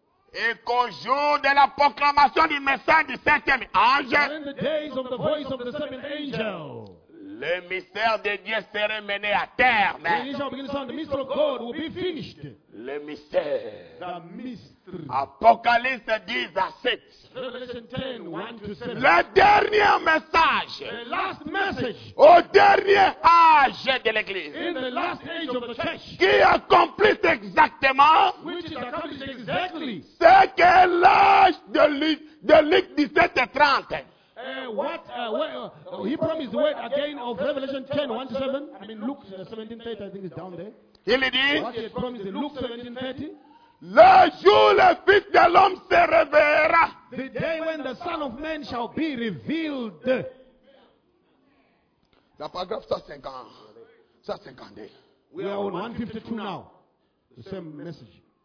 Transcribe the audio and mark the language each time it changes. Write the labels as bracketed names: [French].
[French] Et qu'au jour de la proclamation du message du septième ange, [English] in the days of the voice of the seventh angel, [French] le mystère de Dieu serait mené à terme. [English] The mystery of God will be finished. [French] Le mystère. [English] The mystery. [French] Apocalypse 10 à 7. [English] Revelation 10, 1 to 7. [French] Le dernier message. [English] The last message. [French] Au dernier âge de l'Église. [English] In the last age of the church. [French] Qui accomplit exactement. [English] Which is accomplished exactly. [French] Ce que l'âge de Luc 17 et 30. [English] He promised the word again of Revelation 10, 1 to 7. I mean, Luke 17, 30, I think it's down there. [French] Il dit, [English] what he promised in Luke 17, 30. [French] Le jour le fils de l'homme se révélera. [English] The day when the Son of Man shall be revealed. [French] La paragraphe 152. [English] We are on 152 now. The same message.